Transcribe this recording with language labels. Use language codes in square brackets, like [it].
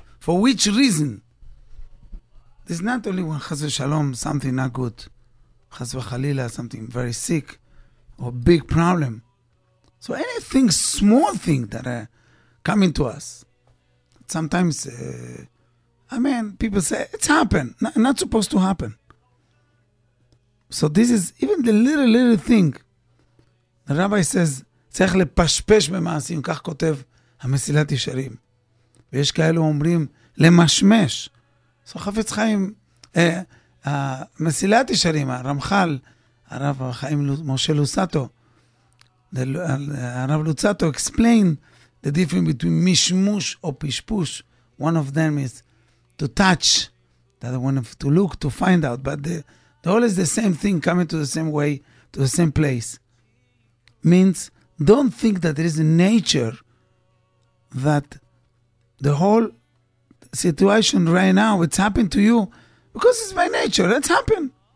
[en] For which reason? This is not only when chas v'shalom, something not good, chas v'chalila, something very sick, or big problem. So anything, small thing that coming to us, sometimes, people say, it's happened, not supposed to happen. So this is, even the little thing, the rabbi says, [he] צריך לפשפש במעשים, כך כותב המסילת ישרים. ויש כאלו אומרים, למשמש. [en] So חפץ חיים, המסילת ישרים, הרמחל, הרב החיים משה לוסטו, הרב לוצטו explain the difference between mishmush or pishpush. One of them is to touch, the other one is to look, to find out. But the whole is the same thing, coming to the same way, to the same place. Means, don't think that there is a nature that the whole situation right now, it's happened to you because it's by nature. It's happened.